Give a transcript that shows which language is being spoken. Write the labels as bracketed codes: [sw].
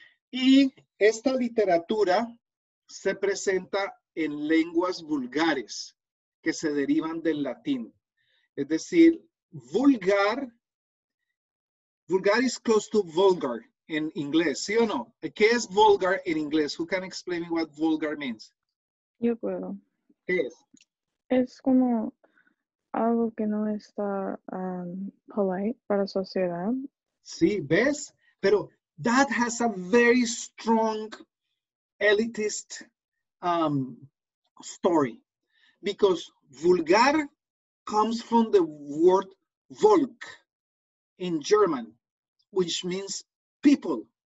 [es] Y esta literatura se presenta en lenguas vulgares que se derivan del latín. Es decir, vulgar [en] is close to [es] vulgar en inglés, ¿sí o no? ¿Qué es vulgar en inglés? [en] Who can explain me what vulgar means? [es] Yo puedo. ¿Qué es? Es como algo que no está polite para la sociedad. Sí, ¿ves? [en] Pero that has a very strong elitist story. Because vulgar comes from the word Volk in German, which means people.